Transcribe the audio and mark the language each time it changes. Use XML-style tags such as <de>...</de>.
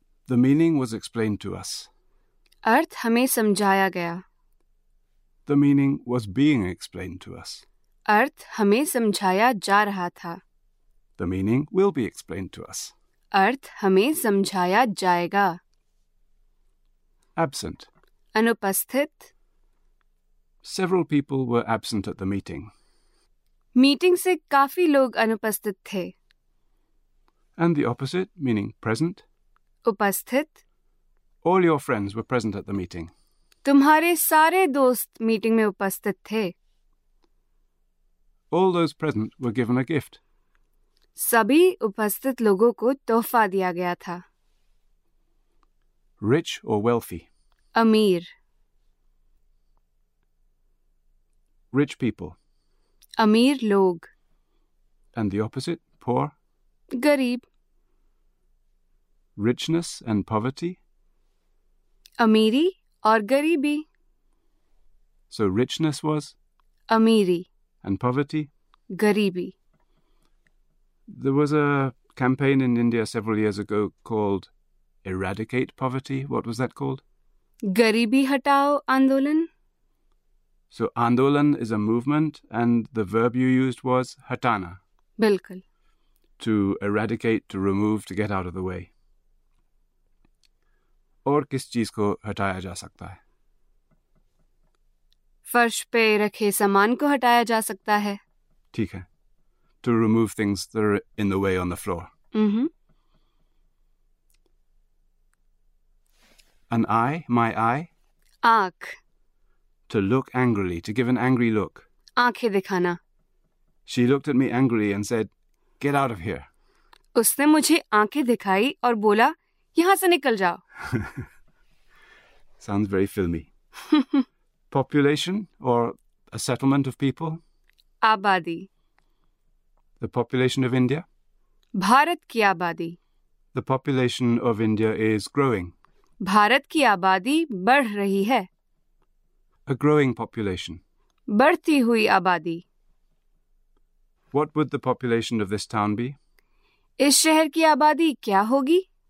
<en>The meaning was explained to us,</en> <hi>अर्थ हमें समझाया गया।</hi> <en>The meaning was being explained to us,</en> <hi>अर्थ हमें समझाया जा रहा था।</hi> <en>The meaning will be explained to us,</en> <hi>अर्थ हमें समझाया जाएगा।</hi> <en>Absent,</en> <hi>अनुपस्थित।</hi> <en>Several people were absent at the meeting.</en> <hi>Meeting से काफी लोग अनुपस्थित थे।</hi> <en>And the opposite, meaning present,</en> <hi>उपस्थित।</hi> <en>All your friends were present at the meeting.</en> <hi>तुम्हारे सारे दोस्त मीटिंग में उपस्थित थे।</hi> <en>All those present were given a gift.</en> <hi>सभी उपस्थित लोगों को तोहफा दिया गया था।</hi> <en>Rich or wealthy?</en> <hi>अमीर।</hi> <en>Rich people.</en> <hi>अमीर लोग।</hi> <en>And the opposite, poor?</en> <hi>गरीब।</hi> <en>Richness and poverty?</en> <hi>अमीरी और गरीबी।</hi> <en>So richness was?</en> <hi>अमीरी।</hi> <en>And poverty?</en> <hi>गरीबी।</hi> <en>There was a campaign in India several years ago called Eradicate Poverty. What was that called?</en> <hi>गरीबी हटाओ आंदोलन।</hi> <en>So आंदोलन is a movement and the verb you used was हटाना.</en> <hi>बिल्कुल।</hi> <en>To eradicate, to remove, to get out of the way.</en> <hi>और किस चीज को हटाया जा सकता है? फर्श पे रखे सामान को हटाया जा सकता है। ठीक है।</hi> <en>To remove things that are in the way on the floor. An eye, my eye.</en> <hi>आँख।</hi> <en>To look angrily, to give an angry look.</en> <hi>आंखें दिखाना।</hi> <en>She looked at me angrily and said, "Get out of here."</en> <hi>उसने मुझे आंखें दिखाई और बोला, यहां से निकल जाओ।</hi> <en>Sounds very filmy. Population or a settlement of people?</en> <hi>आबादी।</hi> <en>The population of India?</en> <hi>Bharat की आबादी।</hi> <en>The population of India is growing.</en> <hi>Bharat की आबादी बढ़ रही है।</hi> <en>A growing population.</en> <hi>बढ़ती हुई आबादी।</hi> <en>What would the population of this town be?</en> <hi>इस शहर की आबादी क्या होगी?</hi>